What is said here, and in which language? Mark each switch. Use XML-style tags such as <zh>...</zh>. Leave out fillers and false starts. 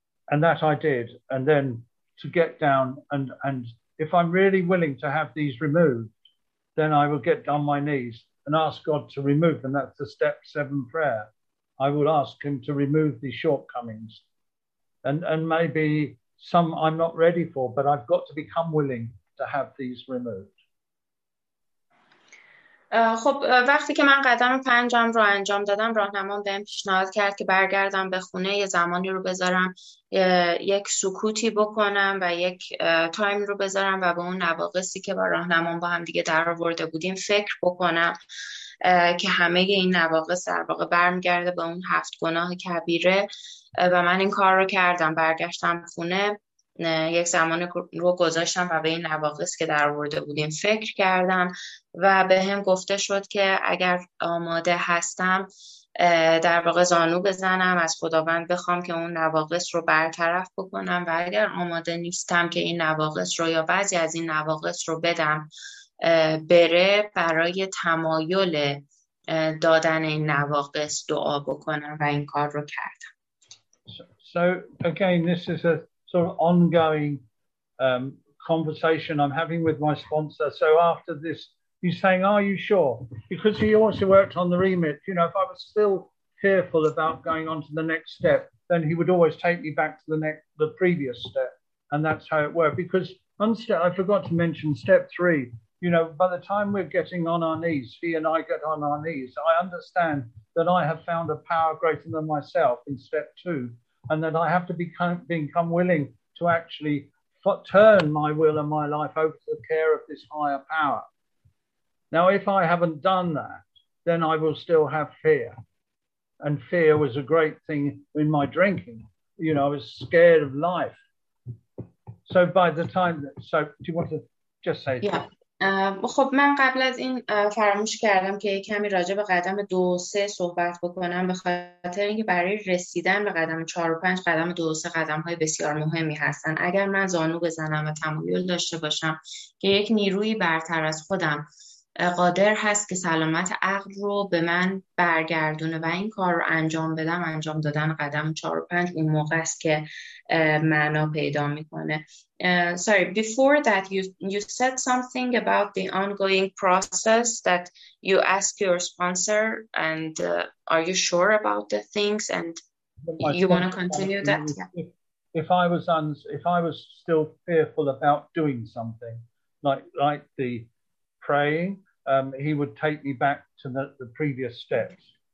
<en>And that I did, and then to get down and if I'm really willing to have these removed, then I will get on my knees and ask God to remove them. That's the step 7 prayer. I will ask him to remove these shortcomings and maybe some I'm not ready for, but I've got to become willing to have these removed.</en> <fa>خب وقتی که من قدم پنجم رو انجام دادم، راهنمام بهم پیشنهاد کرد که برگردم به خونه، یه زمانی رو بذارم، یک سکوتی بکنم و یک تایم رو بذارم و به اون نواقصی که با راهنمام با هم دیگه در آورده بودیم فکر بکنم، که همه این نواقص در واقع برمیگرده به اون 7 گناه کبیره. و من این کار رو کردم، برگشتم خونه، یک زمان رو گذاشتم و به این نواقص که در آورده بودیم فکر کردم و به هم گفته شد که اگر آماده هستم در واقع زانو بزنم، از خداوند بخوام که اون نواقص رو برطرف بکنم، و اگر آماده نیستم که این نواقص رو یا بعضی از این نواقص رو بدم بره، برای تمایل دادن این نواقص دعا بکنم، و این کار رو کردم.</fa> <en>So again, this is a sort of ongoing conversation I'm having with my sponsor. So after this, he's saying, are you sure? Because he also worked on the remit. You know, if I was still fearful about going on to the next step, then he would always take me back to the previous step. And that's how it worked. Because on I forgot to mention step three. You know, by the time we're getting on our knees, he and I get on our knees, I understand that I have found a power greater than myself in step two. And that I have to become willing to actually turn my will and my life over to the care of this higher power. Now, if I haven't done that, then I will still have fear. And fear was a great thing in my drinking. You know, I was scared of life. So by the time that, so do you want to just say that? Yeah.</en> <fa>خب من قبل از این فراموش کردم که کمی راجع به قدم 2 و 3 صحبت بکنم، به خاطر اینکه برای رسیدن به قدم 4 و 5، قدم 2 و 3 قدم های بسیار مهمی هستن. اگر من زانو بزنم و تمایل داشته باشم که یک نیروی برتر از خودم قادر هست که سلامت عقل رو به من برگردونه و این کار رو انجام بدم، انجام دادن قدم 4 و 5 اون موقع است که معنا پیدا میکنه.</fa> <en>Sorry, before that you said something about the ongoing process that you ask your sponsor and are you sure about the things and you want to continue that? If I was still fearful about doing something like the praying, he would take me back to the previous steps.</en>